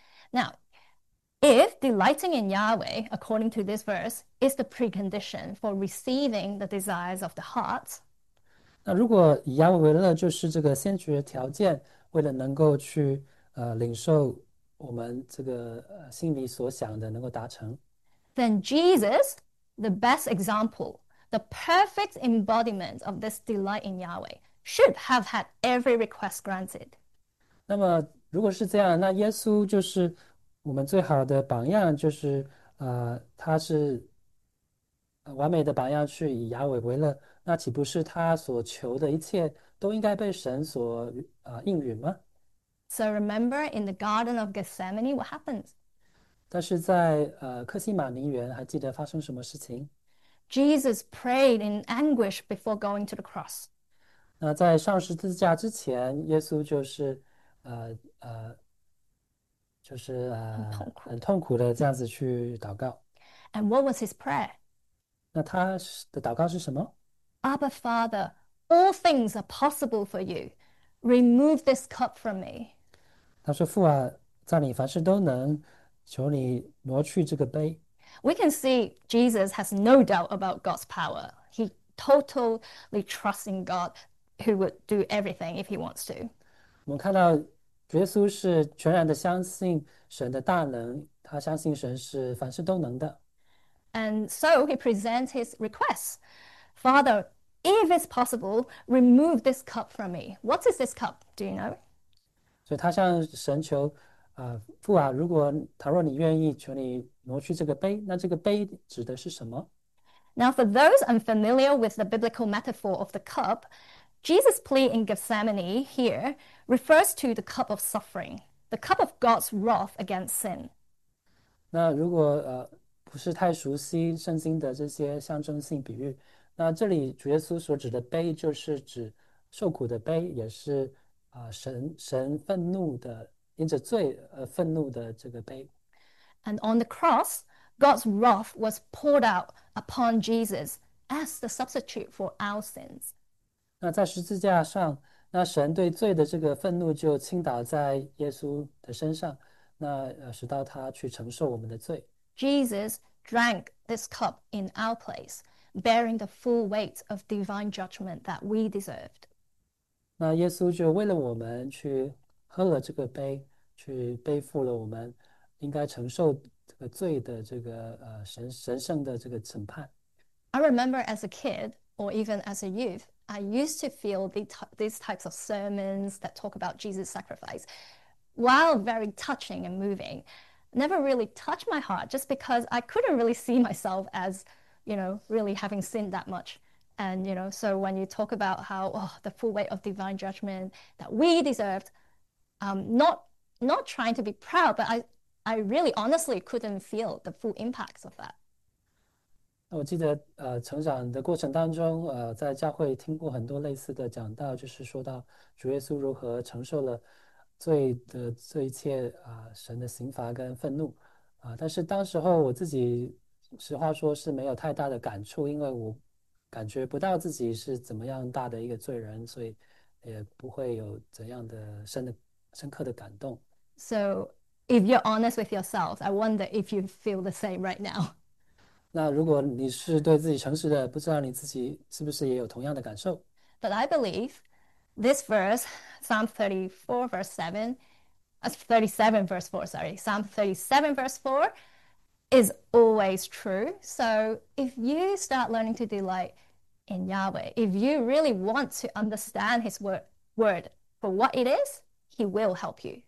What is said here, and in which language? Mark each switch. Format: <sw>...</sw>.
<en>Now, if delighting in Yahweh, according to this verse, is the precondition for receiving the desires of the heart,</en> <zh>那如果以亚伟为乐就是这个先决条件，为了能够去领受我们这个心里所想的能够达成。</zh> <en>then Jesus, the best example, the perfect embodiment of this delight in Yahweh, should have had every request granted.</en> <zh>那么，如果是这样，那耶稣就是我们最好的榜样，就是他是完美的榜样，去以亚伟为乐，那岂不是他所求的一切都应该被神所应允吗？</zh> <en>So remember in the Garden of Gethsemane, what happens?</en> <zh>但是在克西马尼园，还记得发生什么事情？</zh> <en>Jesus prayed in anguish before going to the cross.</en> <zh>那在上十字架之前，耶稣很就是痛苦。很痛苦的这样子去祷告。</zh> <en>And what was his prayer?</en> <zh>那他的祷告是什么？</zh> <en>Abba Father, all things are possible for you. Remove this cup from me.</en> <zh>他说：“父啊，在你凡事都能。 ”求你挪去这个杯。</zh> <en>We can see Jesus has no doubt about God's power. He totally trusts in God, who would do everything if he wants to.</en> <zh>我们看到，耶稣是全然的相信神的大能，他相信神是凡事都能的。</zh> <en>And so he presents his request. Father, if it's possible, remove this cup from me. What is this cup? Do you know?</en> <zh>所以他向神求，父啊，如果倘若你愿意，求你挪去这个杯，那这个杯指的是什么？</zh> <en>Now, for those unfamiliar with the biblical metaphor of the cup, Jesus' plea in Gethsemane here refers to the cup of suffering, the cup of God's wrath against sin.</en> <zh>那如果不是太熟悉圣经的这些象征性比喻，那这里主耶稣所指的杯就是指受苦的杯，也是。神愤怒的，因着罪而愤怒的这个杯。</zh> <en>And on the cross, God's wrath was poured out upon Jesus as the substitute for our sins.</en> <zh>那在十字架上，那神对罪的这个愤怒就倾倒在耶稣的身上，那使到他去承受我们的罪。</zh> <en>Jesus drank this cup in our place, bearing the full weight of divine judgment that we deserved.</en> <zh>那耶稣就为了我们去喝了这个杯，去背负了我们应该承受这个罪的这个神圣的这个审判。</zh> <en>I remember as a kid, or even as a youth, I used to feel these types of sermons that talk about Jesus' sacrifice, while very touching and moving, never really touched my heart just because I couldn't really see myself as, really having sinned that much. And, so when you talk about how, oh, the full weight of divine judgment that we deserved, not trying to be proud, but I really honestly couldn't feel the full impacts of that.</en> <zh>我记得，成长的过程当中，在教会听过很多类似的讲道，就是说到主耶稣如何承受了罪的这一切，神的刑罚跟愤怒，但是当时候我自己，实话说是没有太大的感触，因为我感觉不到自己是怎么样大的一个罪人，所以也不会有怎样的深刻的感动。</zh> <en>So, if you're honest with yourself, I wonder if you feel the same right now.</en> <zh>那如果你是对自己诚实的，不知道你自己是不是也有同样的感受？</zh> <en>But I believe this verse, Psalm 34, verse 7, 37, verse 4, sorry, Psalm 37, verse 4, is always true. So, if you start learning to delight in Yahweh, if you really want to understand His word for what it is, He will help you.</en>